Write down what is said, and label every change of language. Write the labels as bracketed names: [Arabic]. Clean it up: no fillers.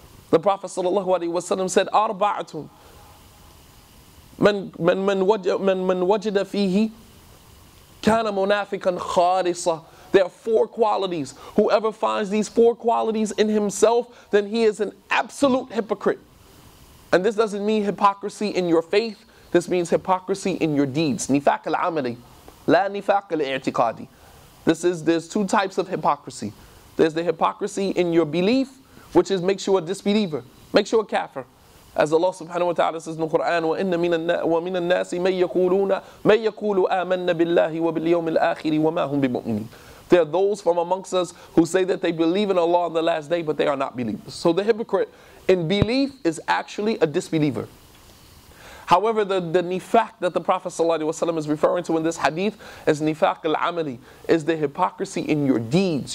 [English] The Prophet sallallahu alaihi wasallam said, [Arabic] "Arba'atun من وجد فيه كان منافقا خالصا." [English] There are four qualities. Whoever finds these four qualities in himself, then he is an absolute hypocrite. And this doesn't mean hypocrisy in your faith. This means hypocrisy in your deeds. [Arabic] نفاق العملي لا نفاق الاعتقادي. [English] There's two types of hypocrisy. There's the hypocrisy in your belief, which is makes you a disbeliever, makes you a kafir. As Allah subhanahu wa ta'ala says in the Quran, [Arabic] وَإِنَّ مِنَ النَّاسِ مَنْ يَقُولُ آمَنَّ بِاللَّهِ وَبِالْيَوْمِ الْآخِرِ وَمَا هُمْ بِمُؤْمِنِينَ. [English] There are those from amongst us who say that they believe in Allah on the last day, but they are not believers. So the hypocrite in belief is actually a disbeliever. However, the nifaq that the Prophet sallallahu alayhi wa sallam is referring to in this hadith is nifaq al-amali, is the hypocrisy in your deeds.